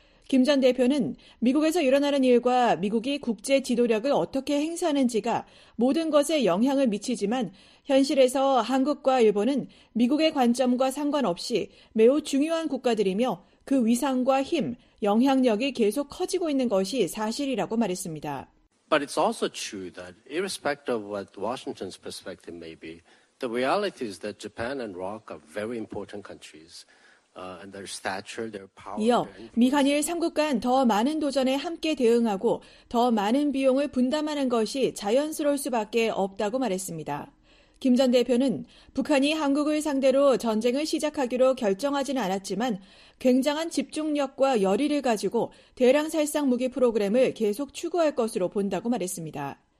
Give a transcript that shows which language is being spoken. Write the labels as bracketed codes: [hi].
[ko] 김 전 대표는 미국에서 일어나는 일과 미국이 국제 지도력을 어떻게 행사하는지가 모든 것에 영향을 미치지만 현실에서 한국과 일본은 미국의 관점과 상관없이 매우 중요한 국가들이며 그 위상과 힘, 영향력이 계속 커지고 있는 것이 사실이라고 말했습니다. [en] But it's also true that irrespective of what Washington's perspective may be, the reality is that Japan and Iraq are very important countries. And their stature, their power. [ko] 이어 미한일 3국 간 더 많은 도전에 함께 대응하고 더 많은 비용을 분담하는 것이 자연스러울 수밖에 없다고 말했습니다. 김 전 대표는 북한이 한국을 상대로 전쟁을 시작하기로 결정하지는 않았지만 굉장한 집중력과 열의를 가지고 대량 살상 무기 프로그램을 계속 추구할 것으로 본다고 말했습니다.